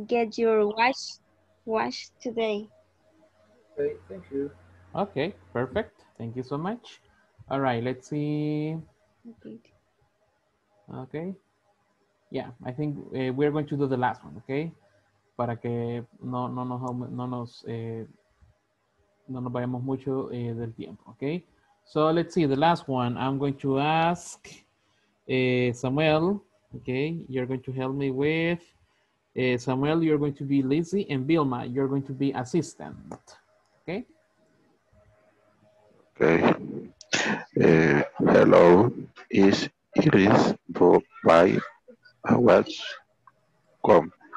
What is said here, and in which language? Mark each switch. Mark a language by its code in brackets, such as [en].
[en] get your wash today. Okay, thank you. Okay, perfect. Thank you so much. All right, let's see. Okay. Yeah, I think we're going to do the last one, okay? [es] Para que no nos vayamos mucho del tiempo, okay? [en] So let's see, the last one. I'm going to ask Samuel. Okay, you're going to help me with Samuel. You're going to be Lizzie, and Vilma, you're going to be assistant. Okay. Okay. Hello, is Iris by watch.com?